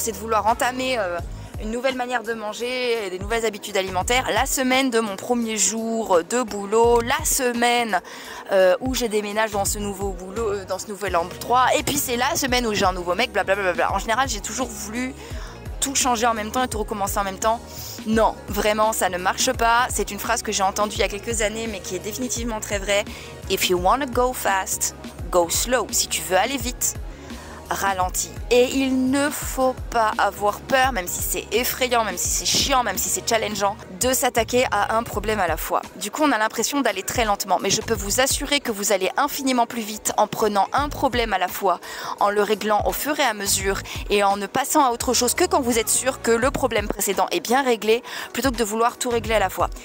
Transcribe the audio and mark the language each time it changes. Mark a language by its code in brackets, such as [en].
[fr] C'est de vouloir entamer une nouvelle manière de manger, des nouvelles habitudes alimentaires, la semaine de mon premier jour de boulot, la semaine où j'ai déménagé dans ce nouveau boulot, dans ce nouvel endroit, et puis c'est la semaine où j'ai un nouveau mec, blablabla. En général, j'ai toujours voulu tout changer en même temps et tout recommencer en même temps. Non, vraiment, ça ne marche pas. C'est une phrase que j'ai entendue il y a quelques années, mais qui est définitivement très vraie. [en] If you want to go fast, go slow. [fr] Si tu veux aller vite, ralentis. Et il ne faut pas avoir peur, même si c'est effrayant, même si c'est chiant, même si c'est challengeant, de s'attaquer à un problème à la fois. Du coup, on a l'impression d'aller très lentement, mais je peux vous assurer que vous allez infiniment plus vite en prenant un problème à la fois, en le réglant au fur et à mesure et en ne passant à autre chose que quand vous êtes sûr que le problème précédent est bien réglé, plutôt que de vouloir tout régler à la fois.